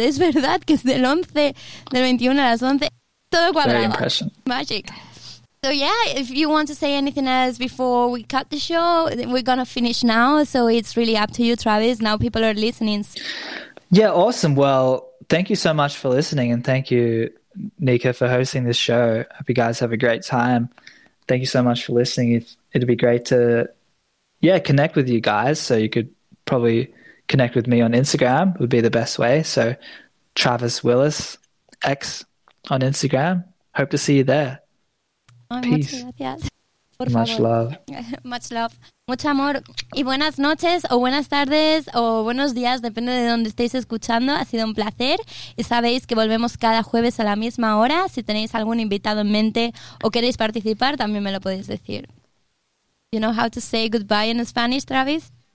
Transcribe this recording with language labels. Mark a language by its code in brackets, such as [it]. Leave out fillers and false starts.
[es] Es verdad que es del 11, del 21 a las 11. Todo cuadrado. [en] Very impression. Magic. So yeah, if you want to say anything else before we cut the show, we're going to finish now. So it's really up to you, Travis. Now people are listening. Yeah, awesome. Well, thank you so much for listening. And thank you, Nika, for hosting this show. Hope you guys have a great time. Thank you so much for listening. It'd be great to, connect with you guys. So you could probably connect with me on Instagram would be the best way. So Travis Willis X on Instagram. Hope to see you there. Peace. Much love. Much love. [es] Mucho amor. Y buenas noches o buenas tardes o buenos días, depende de donde estéis escuchando. Ha sido un placer. Y sabéis que volvemos cada jueves a la misma hora. Si tenéis algún invitado en mente o queréis participar, también me lo podéis decir. [en] You know how to say goodbye in Spanish, Travis?